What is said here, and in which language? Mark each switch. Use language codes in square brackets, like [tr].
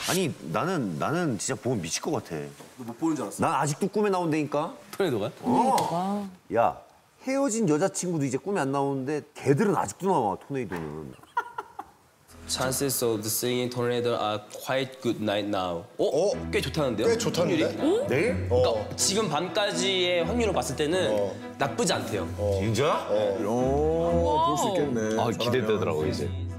[ko] 아니 나는 진짜 보면 미칠 것 같아. 너 못 보는 줄 알았어. 난 아직도 꿈에 나온다니까. 토네도가? 야 헤어진 여자친구도 이제 꿈에 안 나오는데 걔들은 아직도 나와 토네이도는. [en] Chances of the singing tornado are quite good right now. [ko] 꽤 좋다는데요? 꽤 좋다는데? 응? 내일? 그러니까 지금 밤까지의 확률로 봤을 때는 나쁘지 않대요. 진짜? 볼 수 있겠네. 아 기대되더라고 이제.